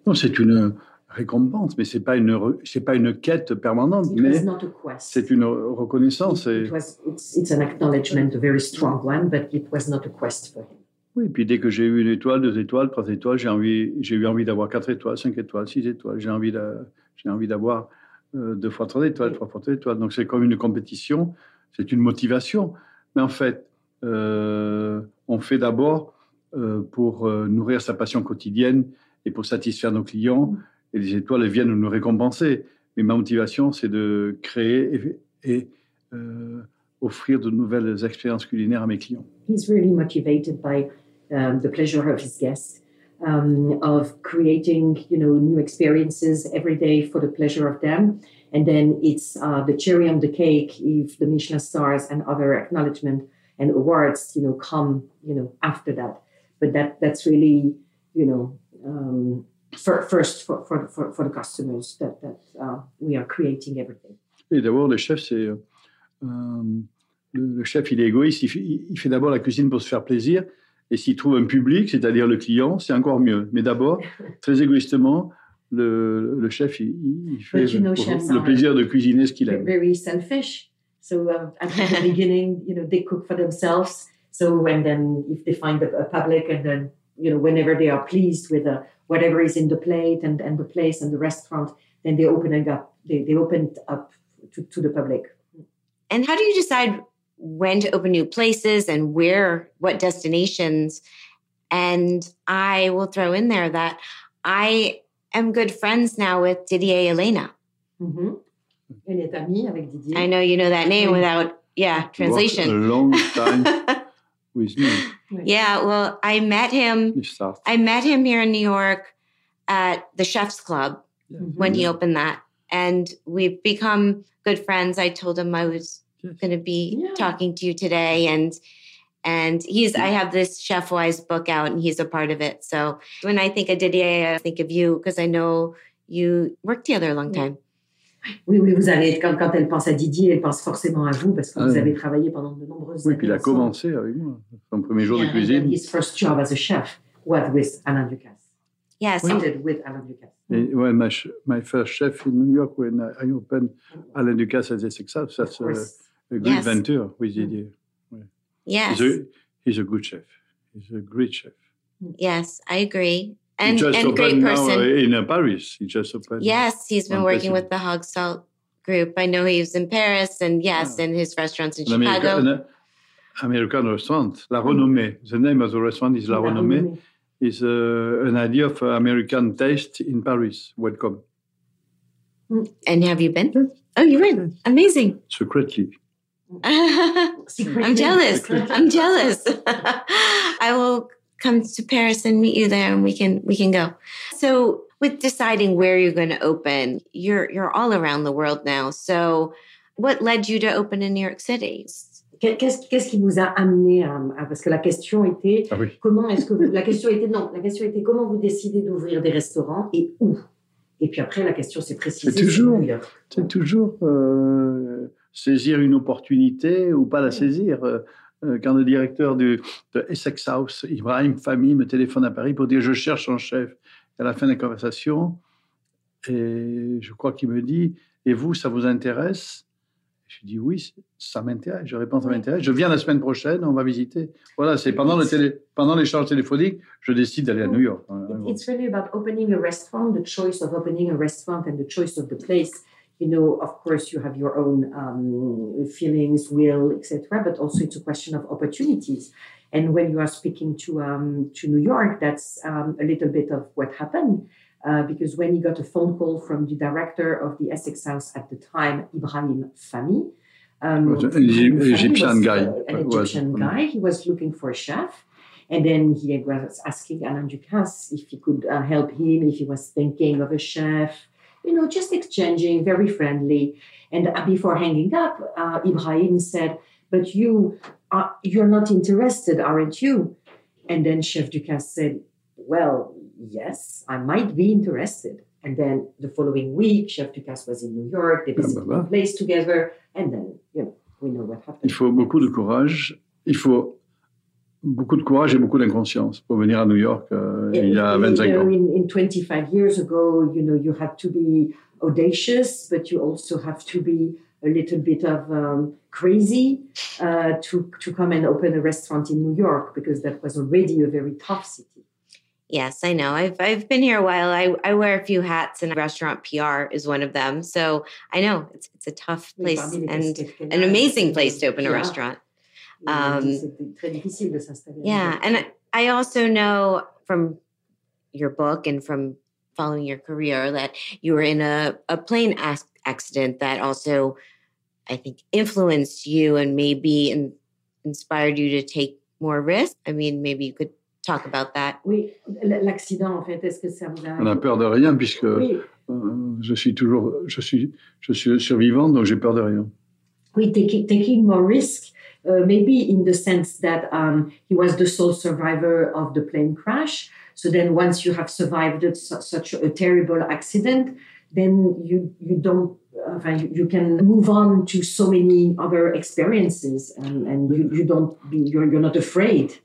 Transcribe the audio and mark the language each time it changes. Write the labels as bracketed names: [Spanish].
[French] Non, c'est une récompense, mais c'est pas une quête permanente, mais c'est une reconnaissance. [English] It's an acknowledgement, a very strong one, but it was not a quest for him. [French] Oui, puis dès que j'ai eu une étoile, deux étoiles, trois étoiles, j'ai eu envie d'avoir quatre étoiles, cinq étoiles, six étoiles. J'ai envie d'avoir deux fois trois étoiles, trois fois trois étoiles. Donc c'est comme une compétition, c'est une motivation. Mais en fait, on fait d'abord pour nourrir sa passion quotidienne et pour satisfaire nos clients. Et les étoiles viennent nous récompenser. Mais ma motivation, c'est de créer et offrir de nouvelles expériences culinaires à mes clients. [English] He's really motivated by the pleasure of his guests, of creating, you know, new experiences every day for the pleasure of them. And then it's the cherry on the cake if the Michelin stars and other acknowledgement and awards, you know, come, you know, after that. But that's really, you know, First, for the customers that we are creating everything. [French] Et d'abord, le chef, c'est le chef, il est égoïste. Il fait d'abord la cuisine pour se faire plaisir. Et s'il trouve un public, c'est-à-dire le client, c'est encore mieux. Mais d'abord, très égoïstement, le chef, il fait le plaisir de cuisiner ce qu'il aime. [English] Very selfish. So at the beginning, you know, they cook for themselves. So when then, if they find a public, and then, you know, whenever they are pleased with whatever is in the plate and the place and the restaurant, then they open it up. They open it up to the public. And how do you decide when to open new places and where, what destinations? And I will throw in there that I am good friends now with Didier Elena. [French] Mm-hmm. Elle est amie avec Didier. [English] I know you know that name without, yeah, translation. What a long time. With me. Yeah, well, I met him here in New York at the Chef's Club when he opened that. And we've become good friends. I told him I was going to be talking to you today. And he's. Yeah. I have this ChefWise book out, and he's a part of it. So when I think of Didier, I think of you, because I know you worked together a long time. [French] Oui, oui, vous avez, quand elle pense à Didier, elle pense forcément à vous, parce que vous avez travaillé pendant de nombreuses années. Oui, puis il a commencé avec moi, son premier jour de cuisine. [English] And his first job as a chef was with Alain Ducasse. Yes. Ended with Alain Ducasse. Mm-hmm. Well, my first chef in New York, when I opened Alain Ducasse as a success, that's a good venture with Didier. Yes. He's a good chef. He's a great chef. Yes, I agree. And, and great person. In Paris, he just opened. Yes, he's been working with the Hog Salt Group. I know he was in Paris, and in his restaurants in Chicago. American restaurant, La Renommée. Mm. The name of the restaurant is La Renommée. It's an idea of American taste in Paris. Welcome. And have you been? Yes. Oh, you went. Amazing. Secretly. I'm jealous. Secretly. I'm jealous. I will come to Paris and meet you there, and we can go. So with deciding where you're going to open, you're all around the world now. So what led you to open in New York City? [French] Qu'est-ce qui vous a amené à parce que la question était comment est-ce que vous, la question était comment vous décidez d'ouvrir des restaurants et où? Et puis après, la question s'est précisée. C'est toujours, saisir une opportunité ou pas la saisir. Quand le directeur de Essex House, Ibrahim Fahmy, me téléphone à Paris pour dire « je cherche un chef ». À la fin de la conversation, et je crois qu'il me dit « et vous, ça vous intéresse ?» Je dis « oui, ça m'intéresse, je réponds ça m'intéresse. Je viens la semaine prochaine, on va visiter. » Voilà, c'est pendant, pendant l'échange téléphonique, je décide d'aller à New York. [English] It's really about opening a restaurant, the choice of opening a restaurant and the choice of the place. You know, of course, you have your own feelings, will, etc. But also, it's a question of opportunities. And when you are speaking to New York, that's a little bit of what happened. Because when he got a phone call from the director of the Essex House at the time, Ibrahim Fahmy, an Egyptian guy, he was looking for a chef. And then he was asking Alain Ducasse if he could help him, if he was thinking of a chef. You know, just exchanging, very friendly. And before hanging up, Ibrahim said, but you're not interested, aren't you? And then Chef Ducasse said, well, yes, I might be interested. And then the following week, Chef Ducasse was in New York. They visited the place together. And then, you know, we know what happened. [French] Il faut beaucoup de courage. Il faut beaucoup de courage et beaucoup d'inconscience pour venir à New York il y a 25 ans. [English] In 25 years ago, you know, you have to be audacious, but you also have to be a little bit of crazy to come and open a restaurant in New York, because that was already a very tough city. Yes, I know. I've been here a while. I wear a few hats, and restaurant PR is one of them. So I know it's a tough place and an amazing place to open a restaurant. And I also know from your book and from following your career that you were in a plane accident that also, I think, influenced you and maybe inspired you to take more risks. I mean, maybe you could talk about that. [French] Oui, l'accident, en fait, est-ce que ça vous a... On a peur de rien puisque je suis survivant, donc j'ai peur de rien. [English] Oui, taking more risks. Maybe in the sense that he was the sole survivor of the plane crash. So then once you have survived such a terrible accident, then you can move on to so many other experiences and you're not afraid.